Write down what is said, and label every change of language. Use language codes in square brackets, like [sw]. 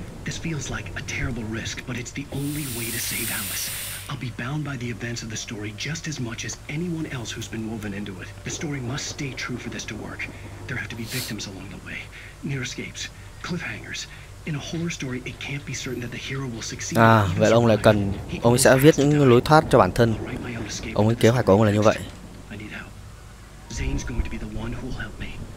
[en] This feels like a terrible risk, but it's the only way to save Alice. I'll be bound by the events of the story just as much as anyone else who's been woven into it. The story must stay true for this to work. There have to be victims along the way. Near escapes, cliffhangers. In a horror story, it can't be certain that the hero will succeed. [vi] À, vậy ông lại cần, ông ấy sẽ viết những lối thoát cho bản thân. Ông ấy kế hoạch của ông là như vậy. [en] I need help. Zane's going to be the one who'll help me.